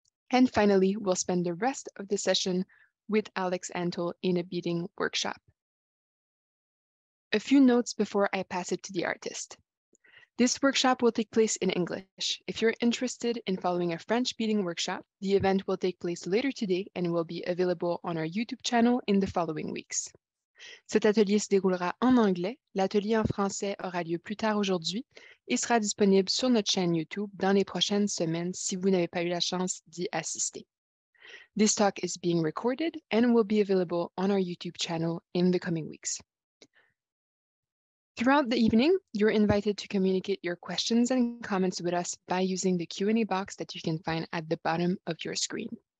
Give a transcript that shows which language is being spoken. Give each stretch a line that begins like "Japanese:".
English: And finally, we'll spend the rest of the session with Alex Antle in a beading workshop. A few notes before I pass it to the artist. This workshop will take place in English. If you're interested in following a French beading workshop, the event will take place later today and will be available on our YouTube channel in the following weeks.
French: Cet atelier se déroulera en anglais, l'atelier en français aura lieu plus tard aujourd'hui et sera disponible sur notre chaîne YouTube dans les prochaines semaines si vous n'avez pas eu la chance d'y assister.
English: This talk is being recorded and will be available on our YouTube channel in the coming weeks. Throughout the evening, you're invited to communicate your questions and comments with us by using the Q&A box that you can find at the bottom of your screen.